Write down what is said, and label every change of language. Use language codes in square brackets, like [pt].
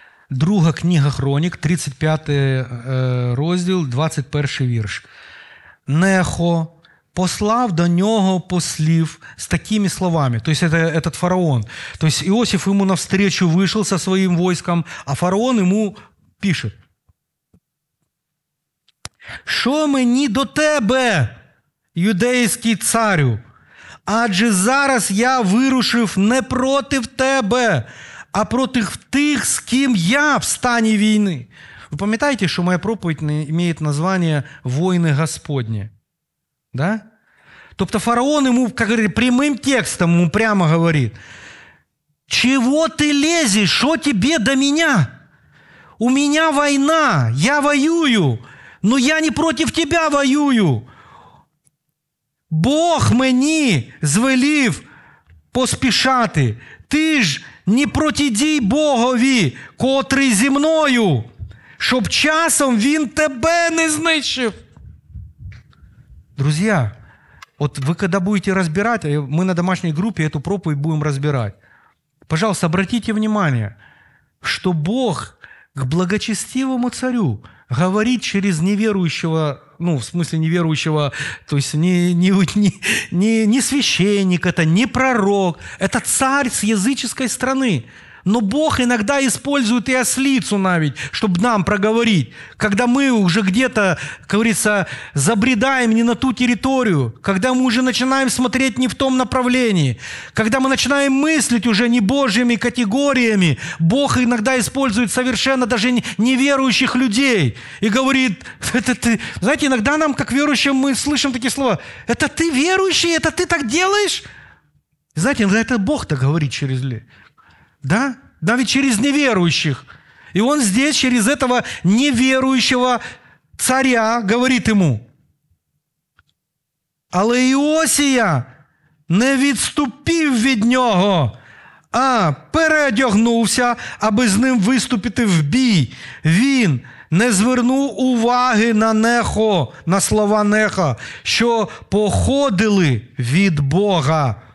[uk] Друга книга Хронік, 35 розділ, 21 вірш. Нехо послав до нього послів з такими словами. [ru] То есть это этот фараон. То есть Иосиф ему навстречу вышел со своим войском, а фараон ему пишет. [uk] «Що мені до тебе, юдейський царю? Адже зараз я вирушив не проти тебе, а проти тих, з ким я в стані війни». Ви пам'ятаєте, що моя проповідь має названня «Войни Господні»? Да? Тобто фараон йому, як говорить, прямим текстом йому прямо говорить: «Чого ти лезеш? Що тобі до мене? У мене війна, я воюю, але я не проти тебе воюю. Бог мені звелів поспішати. Ти ж не протидій Богові, котрий зі мною, щоб часом він тебе не знищив». Друзі, от ви коли будете розбирати, ми на домашній групі цю проповідь будемо розбирати, пожалуйста, обратіть увагу, [ru] что Бог к благочестивому царю говорит через неверующего, ну, в смысле неверующего, то есть не священник, это не пророк, это царь с языческой страны. Но Бог иногда использует и ослицу наветь, чтобы нам проговорить, когда мы уже где-то, как говорится, забредаем не на ту территорию, когда мы уже начинаем смотреть не в том направлении, когда мы начинаем мыслить уже не Божьими категориями, Бог иногда использует совершенно даже неверующих людей и говорит, это ты. Знаете, иногда нам, как верующим, мы слышим такие слова, это ты верующий, это ты так делаешь? Знаете, иногда это Бог так говорит через людей. Да? Да, ведь через неверующих. И он здесь через этого неверующего царя говорит ему. [uk] Але Иосия не відступив від нього, а переодягнувся, аби з ним виступити в бій. Він не звернув уваги на Нехо, на слова Неха, що походили від Бога.